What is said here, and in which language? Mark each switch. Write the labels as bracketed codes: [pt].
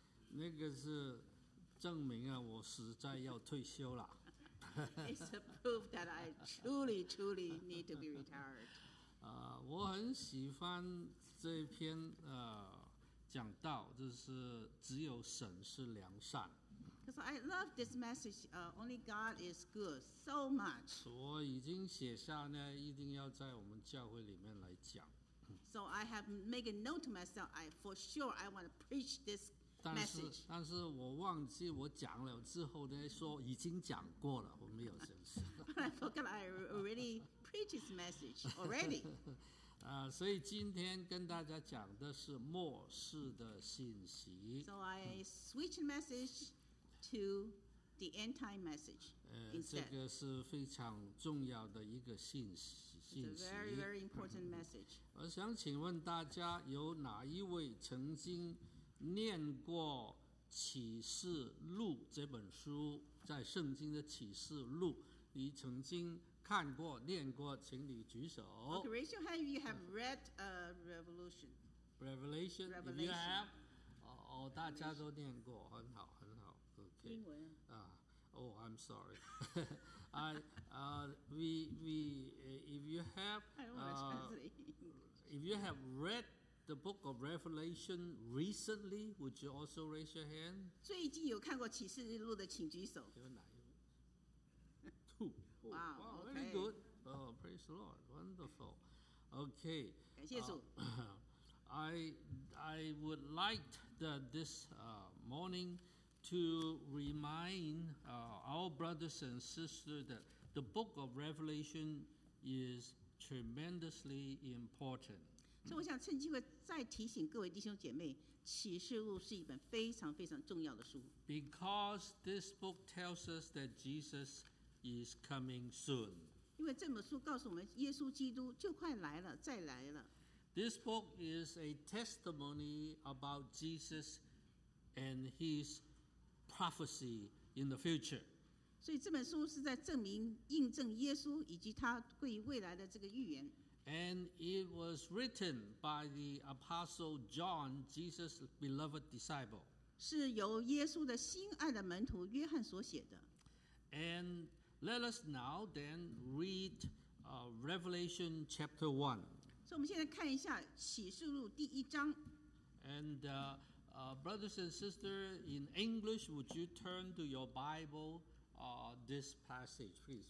[zh] 那个是证明啊，我实在要退休了。 [en] It's a proof that I truly, truly need to be retired. [zh] 我很喜欢这篇讲道，就是只有神是良善。 [en] Because I love this message, only God is good so much. [zh] 我已经写下呢，一定要在我们教会里面来讲。 [en] So I have made a note to myself. I for sure I want to preach this. [zh] 但是我忘记我讲了之后呢，说已经讲过了，我没有这事。 [en] I forgot I already preached this message already. [zh] 所以今天跟大家讲的是末世的信息。 [en] So I switch the message to the end time message instead. [zh] 这个是非常重要的一个信息。 [en] It's a very, very important message. [zh] 我想请问大家，有哪一位曾经念过启示录这本书，在圣经的启示录，你曾经看过、念过，请你举手。 [en] Okay, raise your hand if you have read Revelation. Revelation, Revelation. If you have. [zh] 哦，大家都念过，很好，很好。 [en] OK. [zh] 英文 [en] 啊。Oh, I'm sorry. if you have. I don't if you have read. The book of Revelation recently, would you also raise your hand? [zh] 最近有看过启示录的，请举手。有哪一位 ？ [en] Two. Wow, wow, okay. Very good. Oh, praise the Lord. Wonderful. Okay. [zh] 感谢主。 [en] I would like that this morning to remind our brothers and sisters that the book of Revelation is tremendously important. [zh] 所以我想趁机会再提醒各位弟兄姐妹，启示录是一本非常非常重要的书。 [en] Because this book tells us that Jesus is coming soon. [zh] 因为这本书告诉我们，耶稣基督就快来了，再来了。 [en] This book is a testimony about Jesus and his prophecy in the future. [zh] 所以这本书是在证明、印证耶稣以及他对于未来的这个预言。 [en] And it was written by the Apostle John, Jesus' beloved disciple. [zh] 是由耶稣的心爱的门徒约翰所写的。 [en] And let us now then read Revelation chapter 1. [zh] 所以我们现在看一下启示录第一章。 [en] And brothers and sisters, in English, would you turn to your Bible this passage, please?